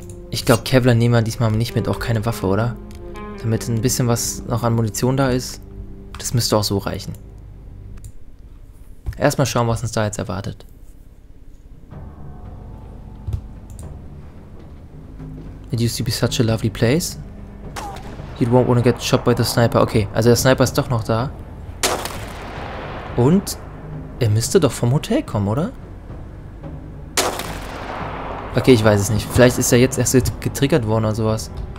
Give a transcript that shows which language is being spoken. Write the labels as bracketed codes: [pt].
[de] Ich glaube Kevlar nehmen wir diesmal nicht mit, auch keine Waffe, oder? Damit ein bisschen was noch an Munition da ist. Das müsste auch so reichen. Erstmal schauen, was uns da jetzt erwartet. [en] It used to be such a lovely place. You won't want to get shot by the sniper. [de] Okay, also der Sniper ist doch noch da. Und? Er müsste doch vom Hotel kommen, oder? Okay, ich weiß es nicht. Vielleicht ist er jetzt erst getriggert worden oder sowas.